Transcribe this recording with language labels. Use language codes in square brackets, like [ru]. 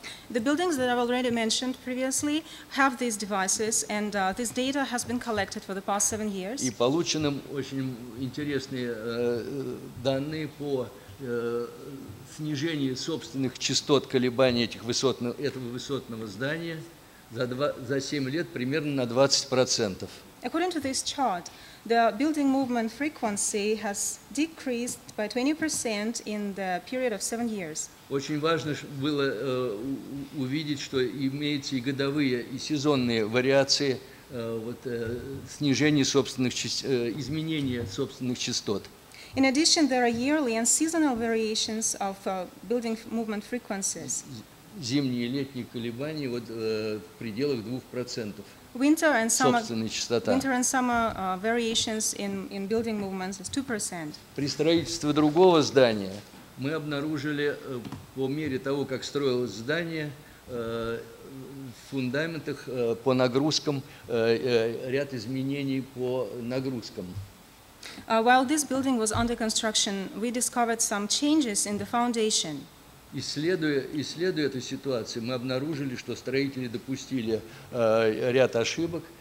[en] The buildings that I've already mentioned previously have these devices, and this data has been collected for the past 7 years. [ru] И получены очень интересные данные по снижению собственных частот колебаний этого высотного здания за 7 лет примерно на 20%. [en] According to this chart, the building movement frequency has decreased by 20% in the period of 7 years. [ru] Очень важно было увидеть, что имеются и годовые, и сезонные вариации снижения собственных частот, изменения собственных частот. [en] In addition, there are yearly and seasonal variations of building movement frequencies. [ru] Зимние и летние колебания в пределах 2%. [en] Winter and summer variations in building movements is 2%. [ru] При строительстве другого здания мы обнаружили по мере того, как строилось здание, в фундаментах по нагрузкам ряд изменений по нагрузкам. [en] While this building was under construction, we discovered some changes in the foundation. [ru] Исследуя эту ситуацию, мы обнаружили, что строители допустили ряд ошибок.